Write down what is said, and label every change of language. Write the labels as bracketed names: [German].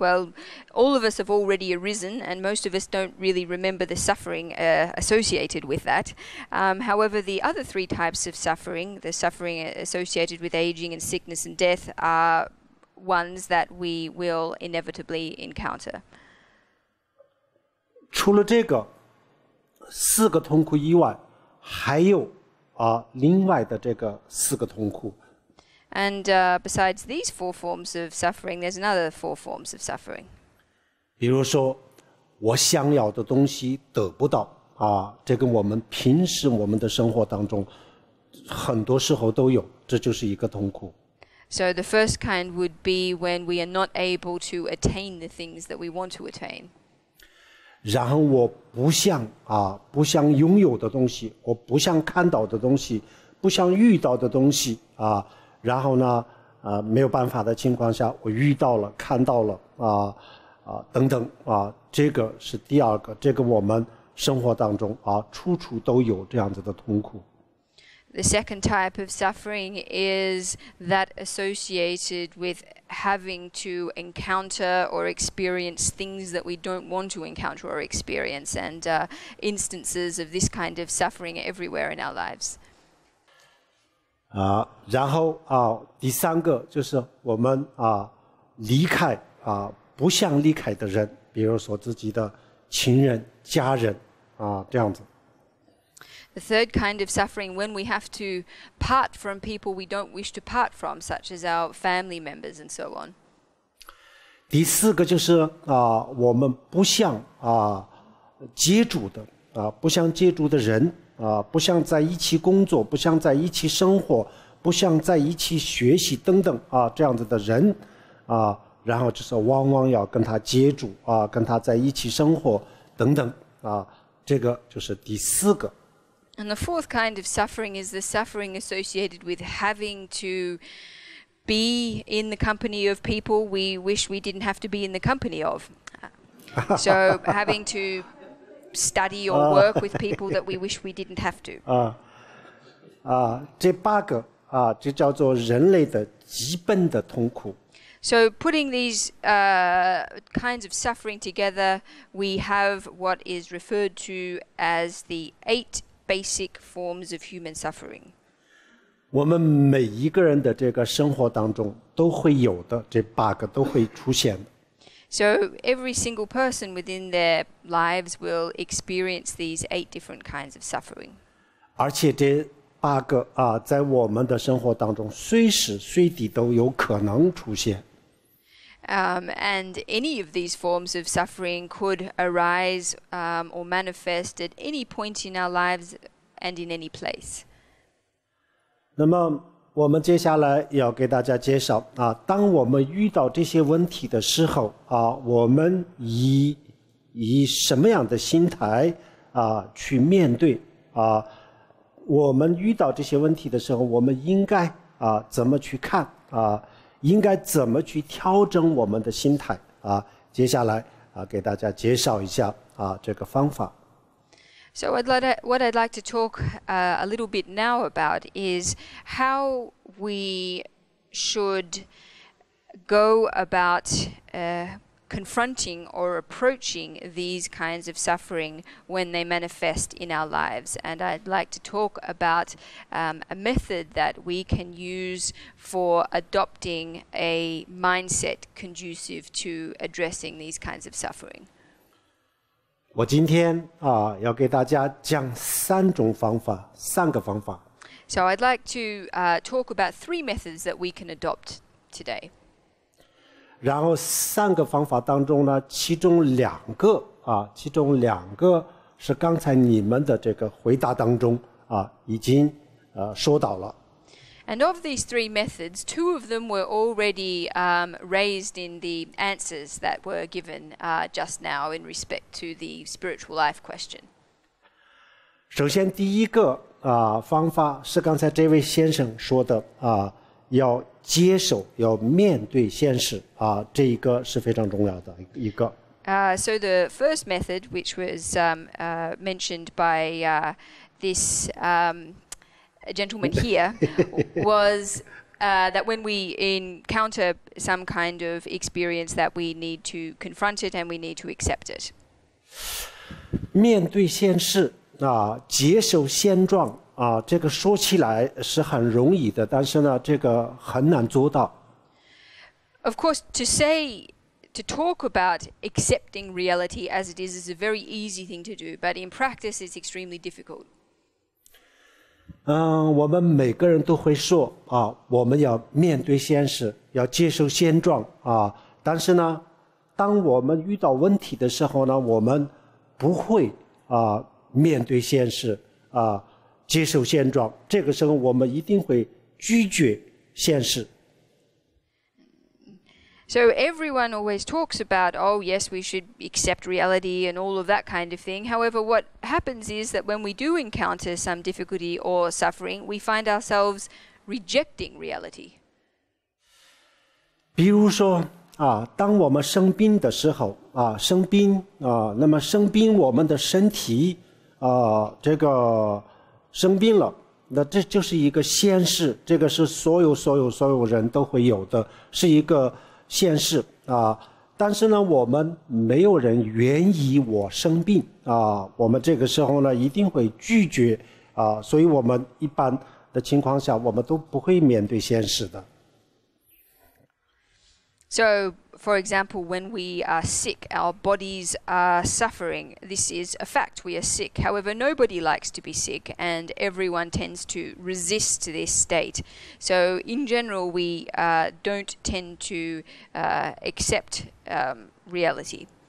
[English] Well, all of us have already arisen, and most of us don't really remember the suffering associated with that. However, the other three types of suffering, the suffering associated with aging and sickness and death, are ones that we will inevitably encounter. [Chinese] 除了这个四个痛苦以外，还有另外的这个四个痛苦。 [English] And besides these four forms of suffering, there's another four forms of suffering. [Chinese] 比如说，我想要的东西得不到啊，这跟我们平时我们的生活当中很多时候都有，这就是一个痛苦。 [English] So the first kind would be when we are not able to attain the things that we want to attain. [Chinese] 然后我不想啊，不想拥有的东西，我不想看到的东西，不想遇到的东西啊，然后呢，没有办法的情况下，我遇到了，看到了啊，等等啊，这个是第二个，这个我们生活当中啊，处处都有这样子的痛苦。 [English] The second type of suffering is that associated with having to encounter or experience things that we don't want to encounter or experience, and instances of this kind of suffering everywhere in our lives. [Chinese] 然后啊，第三个就是我们啊，离开啊，不想离开的人，比如说自己的亲人、家人啊，这样子。 [English] The third kind of suffering, when we have to part from people we don't wish to part from, such as our family members and so on. [Chinese] 第四个就是我们不想接触的不想接触的人不想在一起工作，不想在一起生活，不想在一起学习等等这样子的人然后就是往往要跟他接触跟他在一起生活等等这个就是第四个。 [English] And the fourth kind of suffering is the suffering associated with having to be in the company of people we wish we didn't have to be in the company of. So having to study or work with people that we wish we didn't have to. [Chinese] 这八个这叫做人类的基本的痛苦。 [English] So putting these kinds of suffering together, we have what is referred to as the eight basic forms of human suffering. [Chinese] 我们每一个人的这个生活当中都会有的，这八个都会出现。 [English] So every single person within their lives will experience these eight different kinds of suffering. [Chinese] 而且这八个在我们的生活当中随时随地都有可能出现。 [English] And any of these forms of suffering could arise or manifest at any point in our lives and in any place. [Chinese] 那么我们接下来要给大家介绍当我们遇到这些问题的时候我们以什么样的心态去面对我们遇到这些问题的时候我们应该怎么去看应该怎么去调整我们的心态接下来给大家介绍一下这个方法。 [English] So what I'd like to talk a little bit now about is how we should go about confronting or approaching these kinds of suffering when they manifest in our lives. And I'd like to talk about a method that we can use for adopting a mindset conducive to addressing these kinds of suffering. [Chinese] 我今天要给大家讲三种方法，三个方法。 [English] So I'd like to talk about three methods that we can adopt today. [Chinese] 然后三个方法当中呢，其中两个其中两个是刚才你们的这个回答当中已经说到了。 [English] And of these three methods, two of them were already raised in the answers that were given just now in respect to the spiritual life question. [Chinese] 首先第一个方法是刚才这位先生说的要接受，要面对现实这一个是非常重要的一个。 [English] So the first method, which was mentioned by this gentleman here, was that when we encounter some kind of experience, that we need to confront it and we need to accept it. [Chinese] 面对现实接受现状。这个说起来是很容易的，但是呢，这个很难做到。 [English] Of course, to talk about accepting reality as it is a very easy thing to do, but in practice, it's extremely difficult. [Chinese] 我们每个人都会说啊，我们要面对现实，要接受现状啊。但是呢，当我们遇到问题的时候呢，我们不会啊面对现实啊，接受现状。这个时候，我们一定会拒绝现实。 [English] So everyone always talks about, oh yes, we should accept reality and all of that kind of thing. However, what happens is that when we do encounter some difficulty or suffering, we find ourselves rejecting reality. [Chinese] 比如说啊，当我们生病的时候啊，生病啊，那么生病我们的身体啊，这个生病了。那这就是一个现实，这个是所有人都会有的，是一个现实啊。但是呢，我们没有人愿意我生病啊。我们这个时候呢，一定会拒绝啊。所以我们一般的情况下，我们都不会面对现实的。 [English] So, for example, when we are sick, our bodies are suffering. This is a fact. We are sick. However, nobody likes to be sick, and everyone tends to resist this state. So, in general, we don't tend to accept reality.